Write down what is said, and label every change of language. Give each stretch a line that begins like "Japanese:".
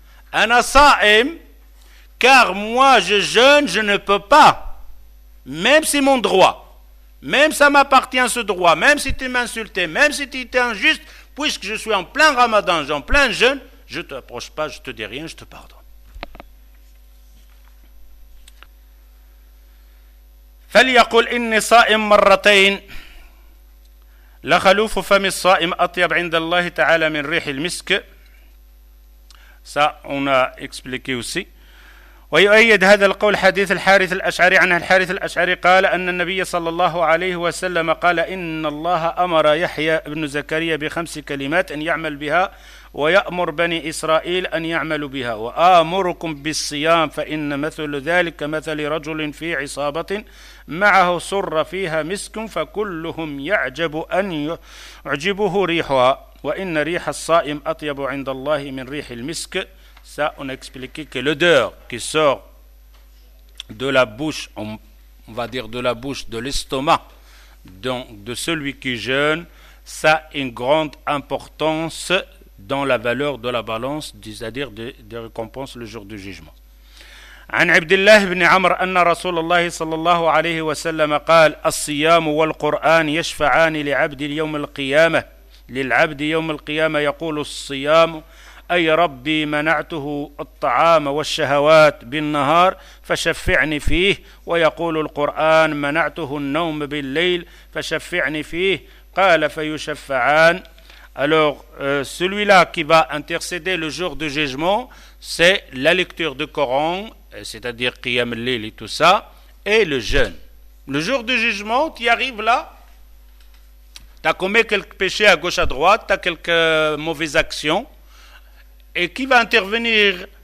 Arabic: « Ana sa'im,
French: car moi, je jeûne, je ne peux pas, même si mon droit, même ça m'appartient ce droit, même si tu m'insultais, même si tu étais injuste, puisque je suis en plein ramadan, en plein jeûne, je ne t'approche pas, je ne te dis rien, je te pardonne.
Arabic: فليقل إني صائم مرتين لخلوف فم الصائم أطيب عند الله تعالى من ريح المسك.
French: Ça, on a expliqué aussi.
Arabic: ويؤيد هذا القول حديث الحارث الأشعري عن الحارث الأشعري قال أن النبي صلى الله عليه وسلم قال إن الله أمر يحيى بن زكريا بخمس كلمات أن يعمل بها ويأمر بني إسرائيل أن يعملوا بها وآمركم بالصيام فإن مثل ذلك مثل رجل في عصابة معه سر فيها مسك فكلهم يعجب أن يعجبه ريحها وإن ريح الصائم أطيب عند الله من ريح المسك.
French: Ça, on a expliqué que l'odeur qui sort de la bouche, on va dire de la bouche, de l'estomac, donc de celui qui jeûne, ça a une grande importance dans la valeur de la balance, c'est-à-dire des récompenses le jour du jugement.
Arabic: عن عبد الله بن عمر أن رسول الله صلى الله عليه وسلم قال الصيام والقرآن يشفعان لعبد يوم القيامة للعبد يوم القيامة يقول الصيام أي ربي منعته الطعام والشهوات بالنهار فشفعني فيه ويقول القرآن منعته النوم بالليل فشفعني فيه قال فيشفعان.
French: Alors, celui-là qui va intercéder le jour du jugement, c'est la lecture du Coran, c'est-à-dire Qiyam al-Layl et tout ça, et le jeûne. Le jour du jugement, tu y arrives là, tu as commis quelques péchés à gauche à droite, tu as quelques mauvaises actions, et qui va intervenir